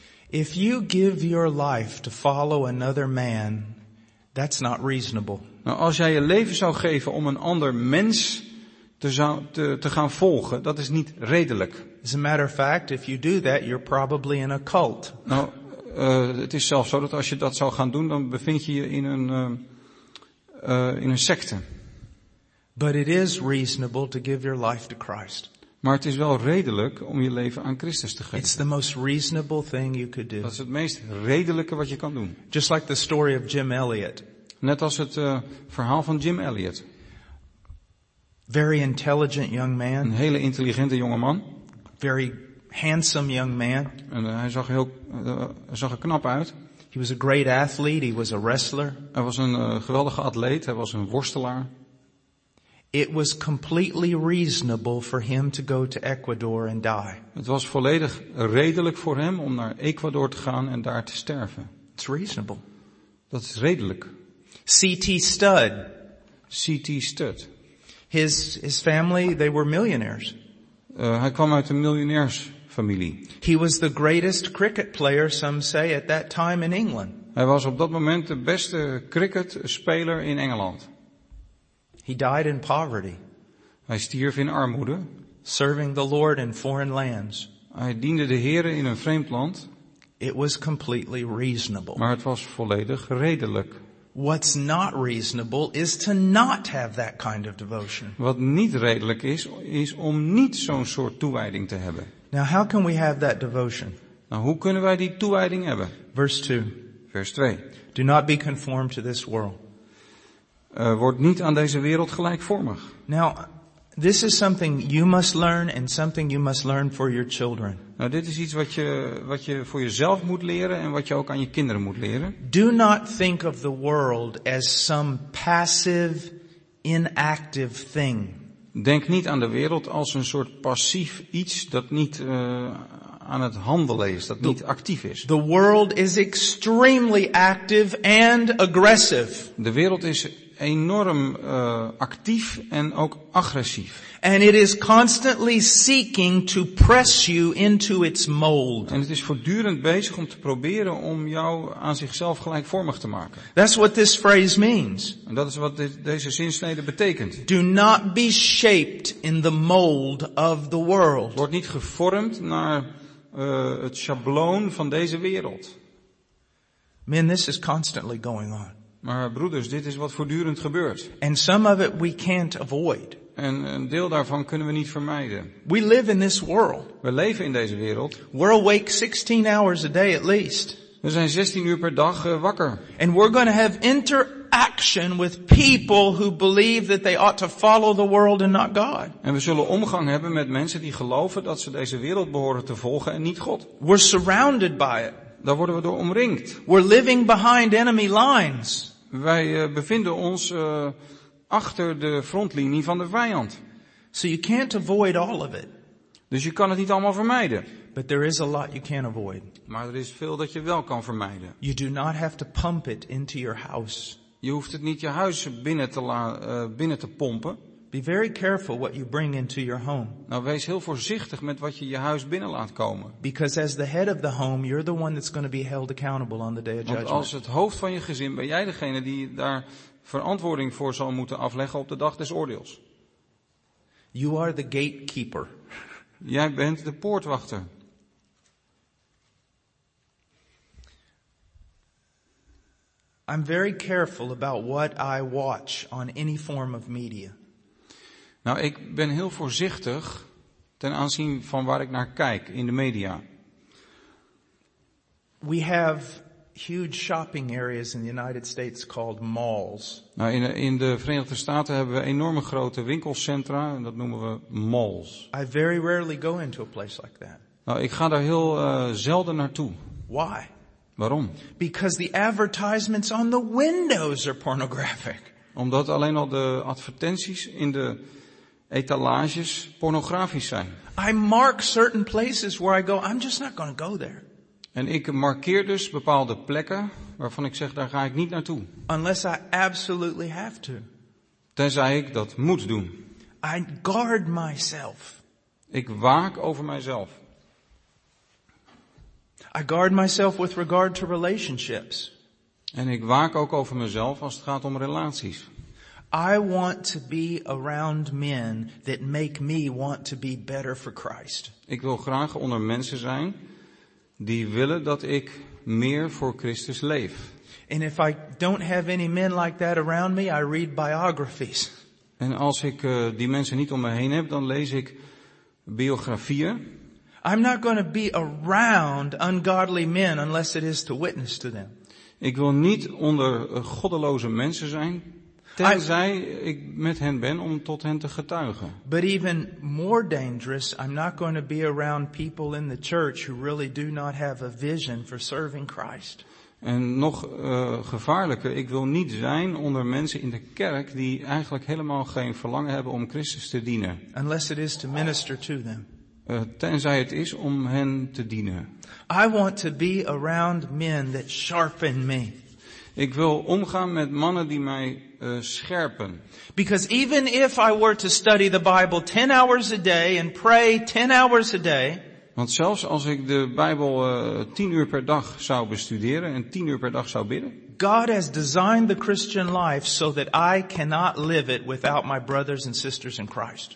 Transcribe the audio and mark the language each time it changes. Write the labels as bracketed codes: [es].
[en] If you give your life to follow another man, that's not reasonable. [nl] Nou, als jij je leven zou geven om een ander mens te gaan volgen, dat is niet redelijk. [en] As a matter of fact, if you do that, you're probably in a cult. [nl] Nou, het is zelfs zo dat als je dat zou gaan doen, dan bevind je je in een secte. [en] But it is reasonable to give your life to Christ. [nl] Maar het is wel redelijk om je leven aan Christus te geven. [en] It's the most reasonable thing you could do. [nl] Dat is het meest redelijke wat je kan doen. [en] Just like the story of Jim Elliot. [nl] Net als het verhaal van Jim Elliot. [en] Very intelligent young man. [nl] Een hele intelligente jonge man. [en] Very handsome young man. [nl] En hij zag er knap uit. [en] He was a great athlete. He was a wrestler. [nl] Hij was een geweldige atleet. Hij was een worstelaar. [en] It was completely reasonable for him to go to Ecuador and die. [nl] Het was volledig redelijk voor hem om naar Ecuador te gaan en daar te sterven. [en] It's reasonable. [nl] Dat is redelijk. [en] C.T. Studd. [nl] C.T. Studd. [en] His family, they were millionaires. [nl] Hij kwam uit een miljonairsfamilie. [en] He was the greatest cricket player, some say, at that time in England. [nl] Hij was op dat moment de beste cricketspeler in Engeland. [en] He died in poverty. [nl] Hij stierf in armoede. [en] Serving the Lord in foreign lands. [nl] Hij diende de Here in een vreemd land. [en] It was completely reasonable. [nl] Maar het was volledig redelijk. [en] What's not reasonable is to not have that kind of devotion. [nl] Wat niet redelijk is, is om niet zo'n soort toewijding te hebben. [en] Now how can we have that devotion? [nl] Nou, hoe kunnen wij die toewijding hebben? [en] Verse 2. [nl] Vers 2. [en] Do not be conformed to this world. [nl] Word niet aan deze wereld gelijkvormig. [en] Now, this is something you must learn and something you must learn for your children. [nl] Nou, dit is iets wat je voor jezelf moet leren en wat je ook aan je kinderen moet leren. [en] Do not think of the world as some passive, inactive thing. [nl] Denk niet aan de wereld als een soort passief iets dat niet aan het handelen is, dat niet actief is. [en] The world is extremely active and aggressive. [nl] De wereld is enorm actief en ook agressief. [en] And it is constantly seeking to press you into its mold. [nl] En het is voortdurend bezig om te proberen om jou aan zichzelf gelijkvormig te maken. [en] That's what this phrase means. [nl] En dat is wat deze zinsnede betekent. [en] Do not be shaped in the mold of the world. [nl] Word niet gevormd naar het schabloon van deze wereld. [en] Man, this is constantly going on. [nl] Maar broeders, dit is wat voortdurend gebeurt. [en] And some of it we can't avoid. [nl] En een deel daarvan kunnen we niet vermijden. [en] We live in this world. [nl] We leven in deze wereld. [en] We're awake 16 hours a day at least. [nl] We zijn 16 uur per dag wakker. [en] And we're going to have interaction with people who believe that they ought to follow the world and not God. [nl] En we zullen omgang hebben met mensen die geloven dat ze deze wereld behoren te volgen en niet God. [en] We're surrounded by it. [nl] Daar worden we door omringd. [en] We're living behind enemy lines. [nl] Wij bevinden ons achter de frontlinie van de vijand. [en] So you can't avoid all of it. [nl] Dus je kan het niet allemaal vermijden. [en] But there is a lot you can't avoid. [nl] Maar er is veel dat je wel kan vermijden. [en] You do not have to pump it into your house. [nl] Je hoeft het niet je huis binnen te pompen. [en] Be very careful what you bring into your home. [nl] Nou, wees heel voorzichtig met wat je huis binnen laat komen. [en] Because as the head of the home, you're the one that's going to be held accountable on the day of judgment. [nl] Want als het hoofd van je gezin, ben jij degene die daar verantwoording voor zal moeten afleggen op de dag des oordeels. [en] You are the gatekeeper. [nl] Jij bent de poortwachter. [en] I'm very careful about what I watch on any form of media. [nl] Nou, ik ben heel voorzichtig ten aanzien van waar ik naar kijk in de media. [en] We have huge shopping areas in the United States called malls. [nl] Nou, in de Verenigde Staten hebben we enorme grote winkelcentra en dat noemen we malls. [en] I very rarely go into a place like that. [nl] Nou, ik ga daar heel zelden naartoe. [en] Why? [nl] Waarom? [en] Because the advertisements on the windows are pornographic. [nl] Omdat alleen al de advertenties in de etalages pornografisch zijn. [en] I mark certain places where I go, I'm just not going to go there. [nl] En ik markeer dus bepaalde plekken waarvan ik zeg, daar ga ik niet naartoe. [en] Unless I absolutely have to. [nl] Tenzij ik dat moet doen. [en] I guard myself. [nl] Ik waak over mijzelf. [en] I guard myself with regard to relationships. [nl] En ik waak ook over mezelf als het gaat om relaties. [en] I want to be around men that make me want to be better for Christ. [nl] Ik wil graag onder mensen zijn die willen dat ik meer voor Christus leef. [en] And if I don't have any men like that around me, I read biographies. [nl] En als ik die mensen niet om me heen heb, dan lees ik biografieën. [en] I'm not going to be around ungodly men unless it is to witness to them. [nl] Ik wil niet onder goddeloze mensen zijn. Tenzij ik met hen ben om tot hen te getuigen. [en] But even more dangerous, I'm not going to be around people in the church who really do not have a vision for serving Christ. [nl] En nog gevaarlijker, ik wil niet zijn onder mensen in de kerk die eigenlijk helemaal geen verlangen hebben om Christus te dienen. [en] Unless it is to minister to them. [nl] Tenzij het is om hen te dienen. [en] I want to be around men that sharpen me. [nl] Ik wil omgaan met mannen die mij scherpen. [en] Because even if I were to study the Bible 10 hours a day and pray 10 hours a day. [nl] Want zelfs als ik de Bijbel 10 uur per dag zou bestuderen en 10 uur per dag zou bidden. [en] God has designed the Christian life so that I cannot live it without my brothers and sisters in Christ.